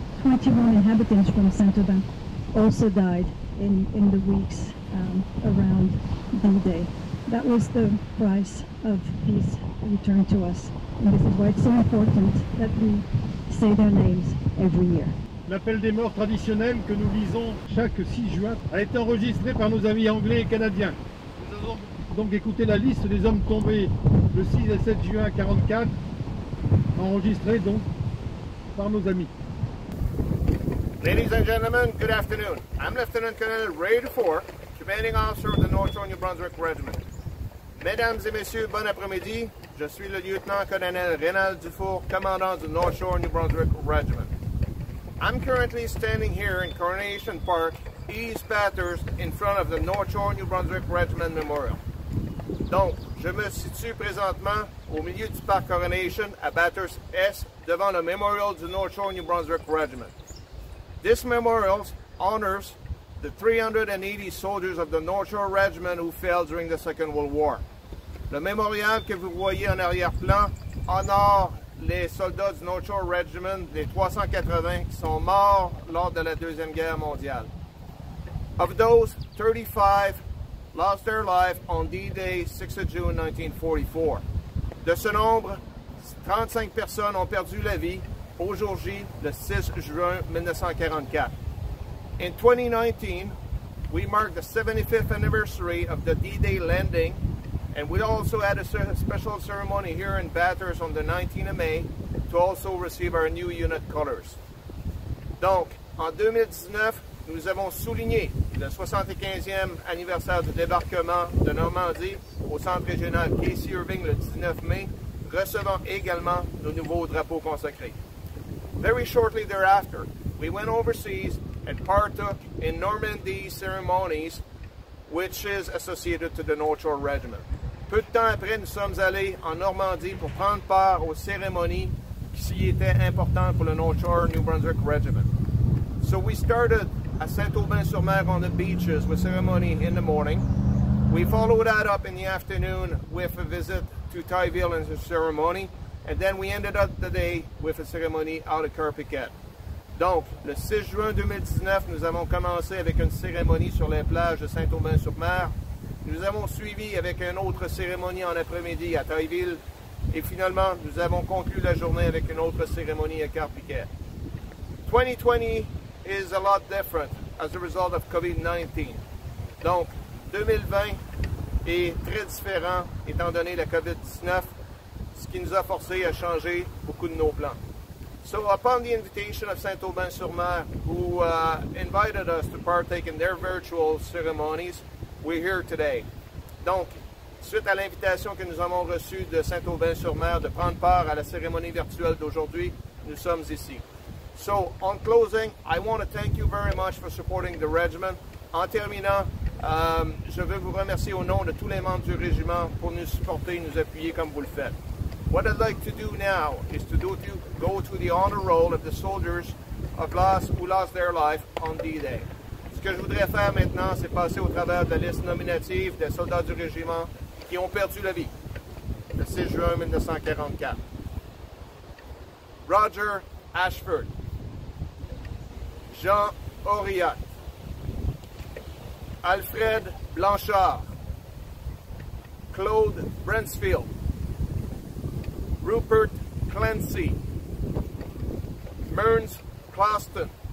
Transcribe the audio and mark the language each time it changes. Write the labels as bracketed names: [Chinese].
[English] 21 inhabitants from Saint-Aubin also died in the weeks around D-Day. That was the price of peace returned to us. And this is why it's so important that we say their names every year. [French] L'appel des morts traditionnel que nous lisons chaque 6 juin a été enregistré par nos amis anglais et canadiens. Nous avons donc écouté la liste des hommes tombés le 6 et 7 juin 1944, enregistrée donc par nos amis. [English] Ladies and gentlemen, good afternoon. I'm Lieutenant Colonel Ray Dufour, commanding officer of the Northern New Brunswick Regiment. [French] Mesdames et messieurs, bon après-midi. Je suis le lieutenant-colonel Rénal Dufour, commandant du North Shore New Brunswick Regiment. [English] I'm currently standing here in Coronation Park, East Bathurst, in front of the North Shore New Brunswick Regiment Memorial. [French] Donc, je me situe présentement au milieu du parc Coronation, à Bathurst Est, devant le Memorial du North Shore New Brunswick Regiment. [English] This memorial honors the 380 soldiers of the North Shore Regiment who fell during the Second World War. [French] Le mémorial que vous voyez en arrière-plan honore les soldats du North Shore Regiment des 380 qui sont morts lors de la Deuxième Guerre mondiale. [English] Of those, 35 lost their life on D-Day, 6 June 1944. [French] De ce nombre, 35 personnes ont perdu la vie aujourd'hui, le 6 juin 1944. [English] In 2019, we marked the 75th anniversary of the D-Day landing. And we also had a special ceremony here in Bathurst on the 19th of May to also receive our new unit colors. [French] Donc, en 2019, nous avons souligné le 75e anniversaire du débarquement de Normandie au centre régional Casey Irving le 19 mai, recevant également nos nouveaux drapeaux consacrés. [English] Very shortly thereafter, we went overseas and partook in Normandy ceremonies, which is associated to the North Shore Regiment. [French] Peu de temps après, nous sommes allés en Normandie pour prendre part aux cérémonies qui étaient importantes pour le North Shore New Brunswick Regiment. [English] So we started at Saint-Aubin-sur-Mer on the beaches with ceremony in the morning. We followed that up in the afternoon with a visit to Tyville and a ceremony. And then we ended up the day with a ceremony out of Carpiquet. [French] Donc, le 6 juin 2019, nous avons commencé avec une cérémonie sur les plages de Saint-Aubin-sur-Mer. Nous avons suivi avec une autre cérémonie en après-midi à Tailleville et finalement, nous avons conclu la journée avec une autre cérémonie à Carpiquet. [English] 2020 is a lot different as a result of COVID-19. [French] Donc, 2020 est très différent étant donné la COVID-19, ce qui nous a forcé à changer beaucoup de nos plans. [English] So, upon the invitation of Saint-Aubin-sur-Mer, who invited us to partake in their virtual ceremonies, we're here today. [French] Donc, suite à l'invitation que nous avons reçue de Saint-Aubin-sur-Mer de prendre part à la cérémonie virtuelle d'aujourd'hui, nous sommes ici. [English] So, on closing, I want to thank you very much for supporting the regiment. [French] En terminant, je veux vous remercier au nom de tous les membres du régiment pour nous supporter et nous appuyer comme vous le faites. [English] What I'd like to do now is to go to the honor roll of the soldiers of last who lost their life on D-Day. [French] Ce que je voudrais faire maintenant, c'est passer au travers de la liste nominative des soldats du régiment qui ont perdu la vie le 6 juin 1944. Roger Ashford, Jean Aurillac, Alfred Blanchard, Claude Bransfield, Rupert Clancy, Mearns Claston,